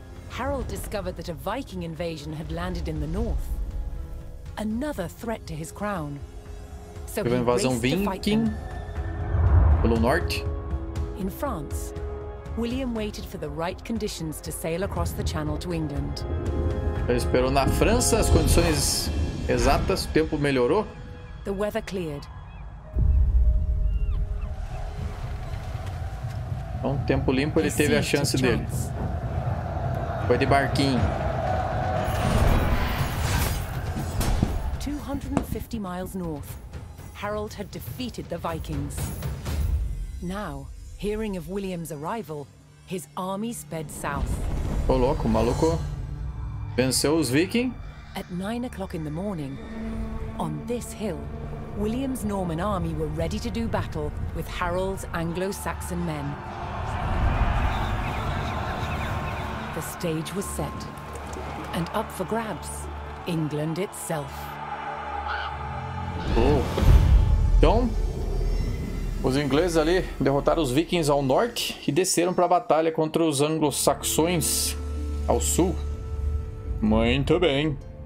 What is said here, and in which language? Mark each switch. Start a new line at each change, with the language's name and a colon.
English: Harold discovered that a Viking invasion had landed in the north. Another threat to his crown.
Portuguese: So teve uma invasão viking pelo norte.
English: In France, William waited for the right conditions to sail across the channel to England.
Portuguese: Ele esperou na França, as condições exatas, o tempo melhorou.
English: The weather cleared.
Portuguese: Então, tempo limpo, ele teve a chance dele. Foi de barquinho.
English: 250 miles north. Harold had defeated the Vikings. Now, hearing of William's arrival, his army sped south.
Portuguese: Ô louco, maluco. Venceu os Vikings.
English: At 9 o'clock in the morning, on this hill, William's Norman army were ready to do battle with Harold's Anglo-Saxon men. The stage was set, and up for grabs, England itself. Oh.
Portuguese: Então, os ingleses ali derrotaram os vikings ao norte e desceram para a batalha contra os anglo-saxões ao sul. Muito bem.